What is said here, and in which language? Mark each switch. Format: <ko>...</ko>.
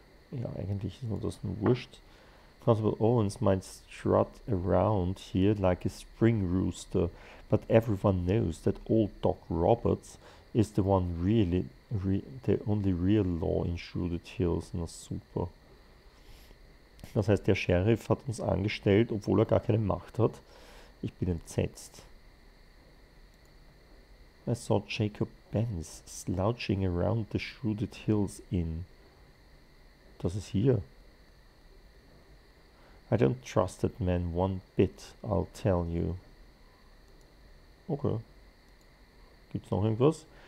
<de>Ja, eigentlich ist nur das nur wurscht.</de> <en>Constable Owens might strut around here like a spring rooster, but everyone knows that old Doc Roberts is the one really, the only real law in Shrouded Hills.</en> <de>Na super. Das heißt, der Sheriff hat uns angestellt, obwohl er gar keine Macht hat. Ich bin entsetzt.</de> <en>I saw Jacob Benz slouching around the Shrouded Hills Inn.</en> <de>Das ist hier.</de> <en>I don't trust that man one bit, I'll tell you. Okay.</en> <de>Gibt's noch irgendwas?</de>